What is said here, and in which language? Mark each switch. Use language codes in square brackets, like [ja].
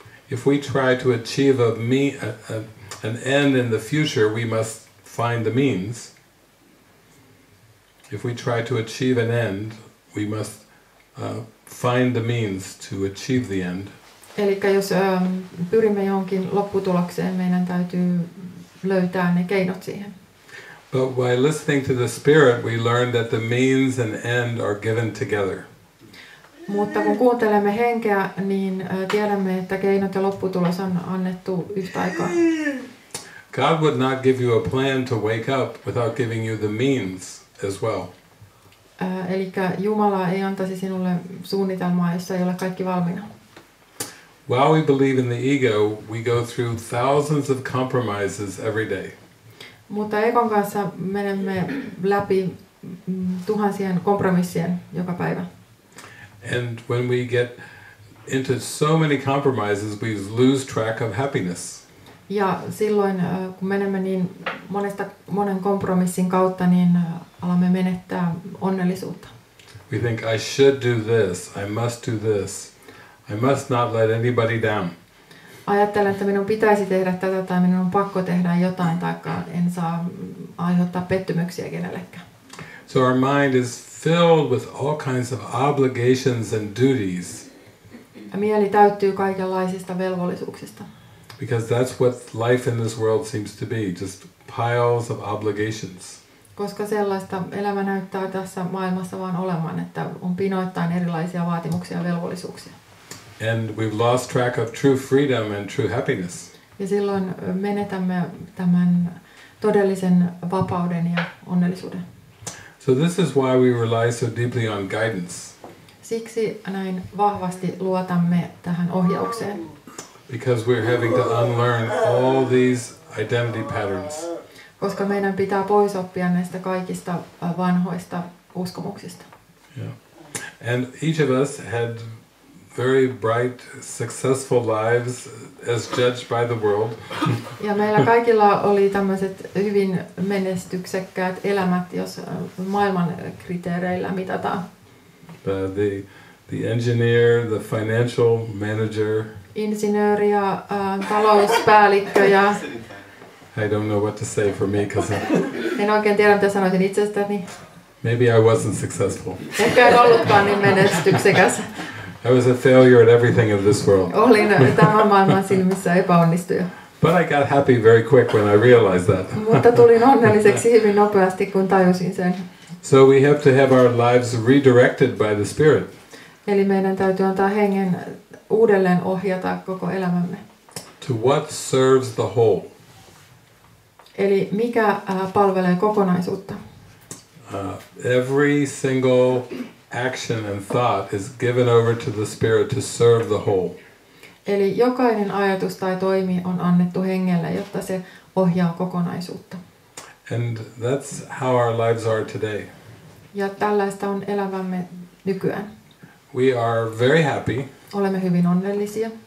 [en] If we try to achieve an end in the future, we must find the means. If we try to achieve an end, we must find the means to achieve the end. [fi] Elikkä jos pyrimme johonkin lopputulokseen, meidän täytyy löytää ne keinot siihen. [en] But by listening to the spirit, we learn that the means and end are given together. [fi] Mutta kun kuuntelemme henkeä, niin tiedämme, että keinot ja lopputulos on annettu yhtä aikaa. [en] God would not give you a plan to wake up without giving you the means as well. [fi] Elikkä Jumala ei antaisi sinulle suunnitelmaa, jossa ei ole kaikki valmiina. [en] While we believe in the ego, we go through thousands of compromises every day. [fi] Mutta egon kanssa menemme läpi tuhansien kompromissien joka päivä. [en] And when we get into so many compromises, we lose track of happiness. [fi] Ja silloin, kun menemme niin monen kompromissin kautta, niin alamme menettää onnellisuutta. [en] We think, I should do this, I must do this, I must not let anybody down. [fi] Ajattelen, että minun pitäisi tehdä tätä tai minun on pakko tehdä jotain, tai en saa aiheuttaa pettymyksiä kenellekään. [en] So our mind is filled with all kinds of obligations and duties. [fi] Mieli täyttyy kaikenlaisista velvollisuuksista. [en] Because that's what life in this world seems to be, just piles of obligations. [fi] Koska sellaista elämä näyttää tässä maailmassa vaan olemaan, että on pinoittain erilaisia vaatimuksia ja velvollisuuksia. [en] And we've lost track of true freedom and true happiness. [fi] Ja silloin menetämme tämän todellisen vapauden ja onnellisuuden. [en] So this is why we rely so deeply on guidance. [fi] Siksi näin vahvasti luotamme tähän ohjaukseen. [en] Because we're having to unlearn all these identity patterns. [fi] Koska meidän pitää pois oppia näistä kaikista vanhoista uskomuksista. [en] Yeah. And each of us had very bright, successful lives as judged by the world. [fi] Ja meillä kaikilla oli tämmöiset hyvin menestyksekkäät elämät, jos maailman kriteereillä mitataan. [en] The engineer, the financial manager. [fi] Insinööri ja talouspäällikkö ja... [en] I don't know what to say for me, because [fi] en oikein tiedä, mitä sanoisin itsestäni. [en] Maybe I wasn't successful. [fi] Ehkä en ollutkaan niin menestyksekäs. [en] I was a failure at everything in this world. [fi] Olin tämän maailman silmissä epäonnistuja. [en] But I got happy very quick when I realized that. [fi] Mutta tulin onnelliseksi hyvin nopeasti, kun tajusin sen. [en] So we have to have our lives redirected by the Spirit. [fi] Eli meidän täytyy antaa hengen uudelleen ohjata koko elämämme. [en] To what serves the whole. [fi] Eli mikä palvelee kokonaisuutta. [en] Every single action and thought is given over to the Spirit to serve the whole. [fi] Eli jokainen ajatus tai toimi on annettu hengelle, jotta se ohjaa kokonaisuutta. [en] And that's how our lives are today. [fi] Ja tällaista on elämämme nykyään. [en] We are very happy. [fi] Olemme hyvin onnellisia.